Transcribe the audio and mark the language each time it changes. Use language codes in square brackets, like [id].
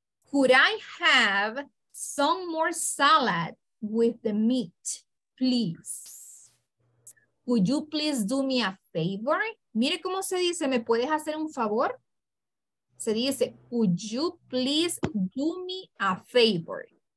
[en] Could I have some more salad with the meat, please? Could you please do me a favor? [es] Mire cómo se dice, ¿me puedes hacer un favor? Se dice, [en] would you please do me a favor?